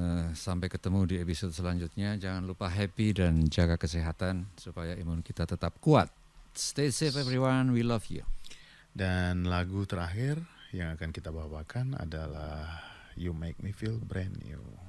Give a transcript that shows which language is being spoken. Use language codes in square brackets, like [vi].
[id] Sampai ketemu di episode selanjutnya. Jangan lupa happy dan jaga kesehatan supaya imun kita tetap kuat. [en] Stay safe everyone, we love you. [id] Dan lagu terakhir yang akan kita bawakan adalah You Make Me Feel Brand New.